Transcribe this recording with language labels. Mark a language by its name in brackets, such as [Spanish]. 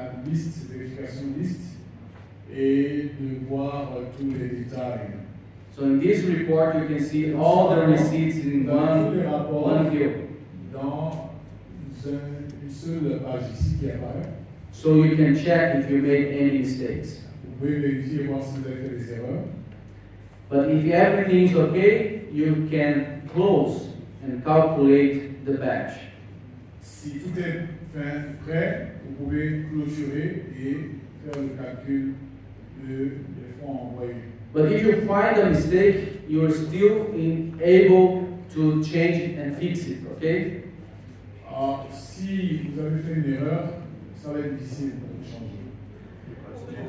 [French] liste, cette vérification liste, et de voir tous les détails. [English] So in this report, you can see all the receipts in one view. [French] Dans une seule page ici qui apparaît. [English] So you can check if you made any mistakes. [French] Vous pouvez vérifier voir si vous avez fait des erreurs. [English] But if everything is okay, you can close and calculate the batch. [French] Si tout est fin prêt, vous pouvez clôturer et faire le calcul des fonds envoyés. [English] But if you find a mistake, you are still in able to change it and fix it, okay? [French] Si vous avez fait une erreur, ça va être difficile pour vous changer.